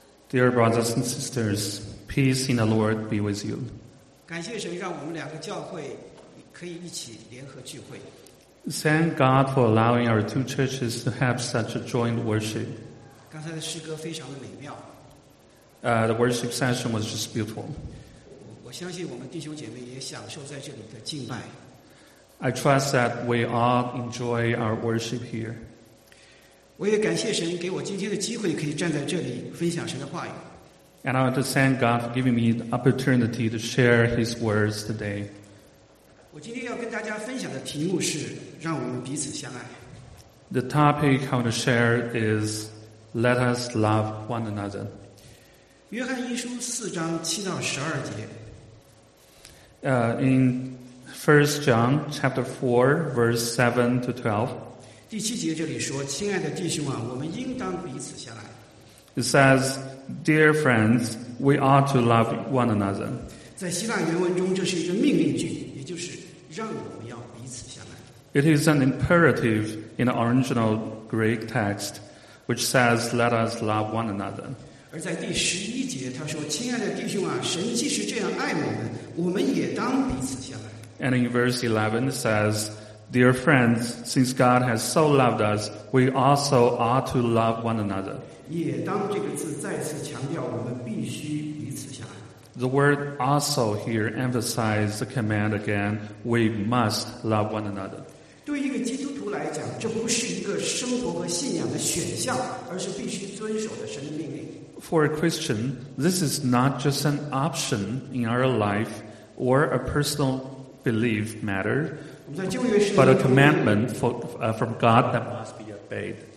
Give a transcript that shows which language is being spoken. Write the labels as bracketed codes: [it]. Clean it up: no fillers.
[en] Dear brothers and sisters, peace in the Lord be with you. [zh] 感谢神，让我们两个教会可以一起联合聚会。 [en] Thank God for allowing our two churches to have such a joint worship. [zh] 刚才的诗歌非常的美妙。 [en] The worship session was just beautiful. [zh] 我相信我们弟兄姐妹也享受在这里的敬拜。 [en] I trust that we all enjoy our worship here. [zh] 我也感谢神给我今天的机会，可以站在这里分享神的话语。 [en] And I want to thank God for giving me the opportunity to share His words today. [zh] 我今天要跟大家分享的题目是让我们彼此相爱。 [en] The topic I want to share is Let us love one another. [zh] 约翰一书四章七到十二节。 [en] In First John chapter 4, verse 7 to 12. [zh] 第七节这里说，亲爱的弟兄啊，我们应当彼此相爱。 [en] It says, dear friends, we ought to love one another. [zh] 在希腊原文中，这是一个命令句，也就是让我们要彼此相爱。 [en] It is an imperative in the original Greek text, which says, let us love one another. [zh] 而在第十一节，他说，亲爱的弟兄啊，神既是这样爱我们，我们也当彼此相爱。 [en] And in verse 11, it says,Dear friends, since God has so loved us, we also ought to love one another. [zh] 也当这个字再次强调我们必须彼此相爱。 [en] The word also here emphasizes the command again, we must love one another. [zh] 对一个基督徒来讲，这不是一个生活和信仰的选项，而是必须遵守的神的命令。 [en] For a Christian, this is not just an option in our life or a personal belief matter,But a commandment from God that must be obeyed.